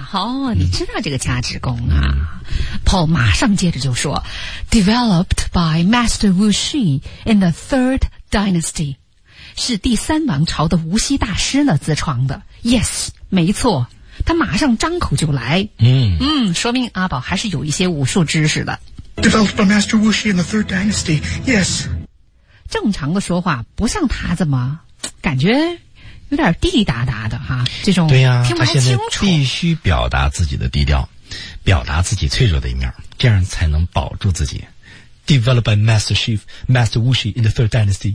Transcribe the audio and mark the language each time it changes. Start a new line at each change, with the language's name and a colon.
Chinese: 好、哦，你知道这个掐指功啊、嗯、？Paul 马上接着就说 ， Developed by Master Wu Shi in the Third Dynasty。是第三王朝的无锡大师呢自创的 ，yes， 没错，他马上张口就来，嗯嗯，说明阿宝还是有一些武术知识的。
English: Developed by Master Wu Shi in the Third Dynasty, yes。
Chinese: 正常的说话不像他这么感觉有点滴滴答答的哈、啊，这种对呀、啊，听不太清楚。他现在必须表达自己的低调，表达自己脆弱的一面，这样才能保住自己。
English: Developed by Master Chief, Master Wuxi in the Third Dynasty.